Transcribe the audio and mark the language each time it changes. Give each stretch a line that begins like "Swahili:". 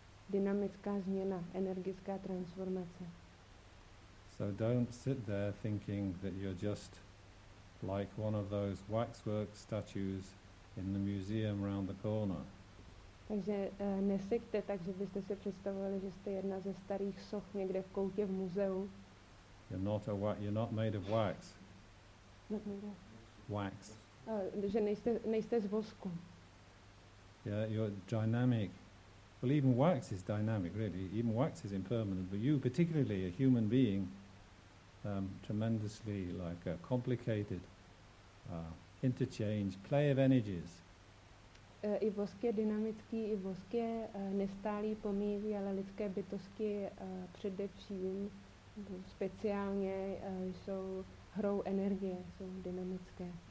Czech: Dynamická změna, energická transformace.
English: So don't sit there thinking that you're just like one of those waxwork statues in the museum round the corner.
Czech: Takže nesekte tak, že byste si představovali, že jste jedna ze starých soch někde v koutě v muzeu.
English: You're not made of wax. Wax.
Czech: Že nejste z vosku.
English: Yeah, you're dynamic. Well, even wax is dynamic, really. Even wax is impermanent. But you, particularly a human being, tremendously like a complicated interchange, play of energies.
Czech: I vosk je dynamický, i vosk je nestálý, pomývý, ale lidské bytosti především, speciálně, jsou hrou energie, jsou dynamické.